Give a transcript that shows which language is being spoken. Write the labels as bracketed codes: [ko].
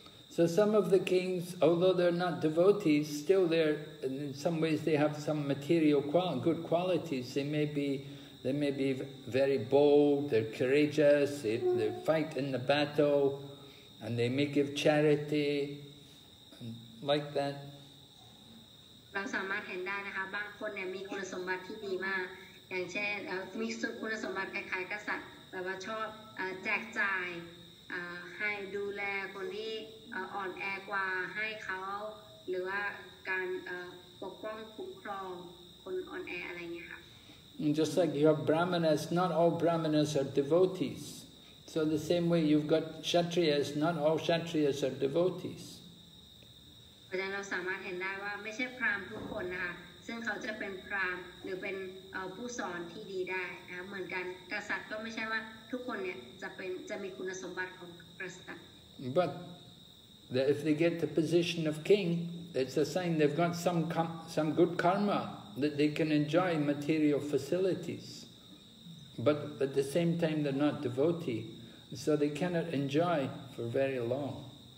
[en] So some of the kings, although they're not devotees, still they're in some ways they have some material good qualities. They may be very bold, they're courageous, they fight in the battle, and they may give charity, and like that. [th] เราสามารถเห็นได้นะคะบางคนเนี่ยมีคุณสมบัติที่ดีมากอย่างเช่นมีคุณสมบัติคล้ายๆกษัตริย์แต่ว่าชอบแจกจ่ายให้ดูแลคนที่อ่อนแอกว่าให้เขาหรือว่าการปกป้องคุ้มครองคนอ่อนแออะไรเงี้ยค่ะ [en] Just like you have brahmanas, not all brahmanas are devotees. So the same way you've got kshatriyas, not all kshatriyas are devotees. [th] เพราะฉะนั้นเราสามารถเห็นได้ว่าไม่ใช่พราหมณ์ทุกคนนะคะซึ่งเขาจะเป็นพราหมณ์หรือเป็นผู้สอนที่ดีได้นะเหมือนกันกษัตริย์ก็ไม่ใช่ว่าทุกคนเนี่ยจะมีคุณสมบัติของกษัตริย์ [en] But that if they get the position of king, it's a sign they've got some good karma, that they can enjoy material facilities. But at the same time, they're not devotee, so they cannot enjoy for very long.